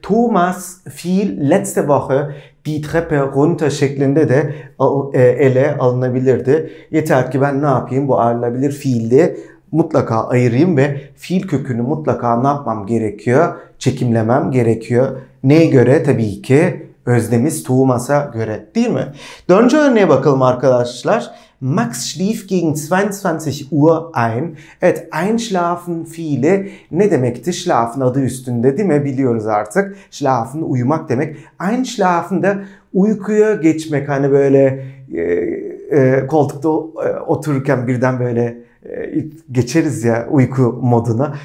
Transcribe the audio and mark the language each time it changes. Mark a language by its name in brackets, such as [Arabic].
[German] Thomas fiel letzte Woche die Treppe runter [Turkish] şeklinde de ele alınabilirdi. Yeter ki ben ne yapayım? Bu alınabilir fiildi. Mutlaka ayırayım ve fiil kökünü mutlaka ne yapmam gerekiyor? Çekimlemem gerekiyor. Neye göre? Tabii ki öznemiz Thomas'a göre, değil mi? Dördüncü örneğe bakalım arkadaşlar. [German] Max schlief gegen 22 Uhr ein. [Turkish] Evet, einschlafen fiili ne demekti? Schlafen adı üstünde, değil mi? Biliyoruz artık. Schlafen uyumak demek. Einschlafen de uykuya geçmek. Hani böyle koltukta otururken birden böyle geçeriz ya uyku moduna.